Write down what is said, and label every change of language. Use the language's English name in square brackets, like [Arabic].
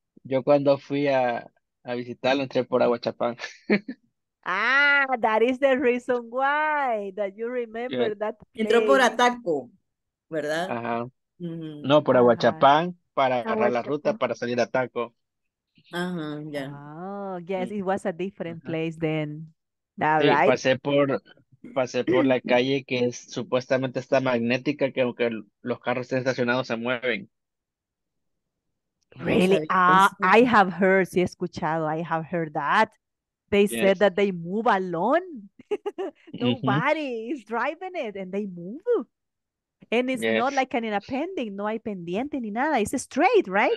[Spanish] Yo cuando fui a visitarlo, entré por Aguachapán. [English] Ah, that is the reason why that you remember, yeah, that place. [Spanish] Entró por Ataco, ¿verdad? Ajá. No, por Aguachapán, ajá, para agarrar Aguachapán, la ruta para salir a Ataco. Ajá, ya. [English] Yeah. Oh, yes, it was a different place then. That, [Spanish] sí, [English] right? [Spanish] pasé por la calle que es supuestamente está magnética, que aunque los carros estén estacionados se mueven. [English] Really? I have heard, [Spanish] sí, he escuchado, [English] I have heard that. They, yes, said that they move alone. Nobody, mm-hmm, is driving it and they move. And it's, yes, not like an appending, [Spanish] no hay pendiente ni nada. [English] It's straight, right?